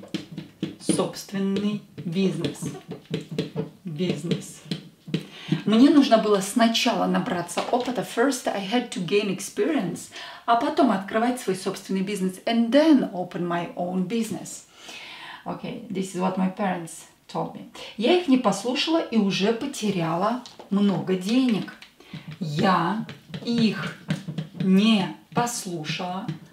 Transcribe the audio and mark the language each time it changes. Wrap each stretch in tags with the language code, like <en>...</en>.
<ru>А потом открывать свой собственный бизнес. Бизнес. Мне нужно было сначала набраться опыта.</ru> <en>First I had to gain experience.</en> <ru>А потом открывать свой собственный бизнес.</ru> <en>And then open my own business. Okay, this is what my parents told me.</en> <ru>Я их не послушала и уже потеряла много денег. Я их не послушала.</ru>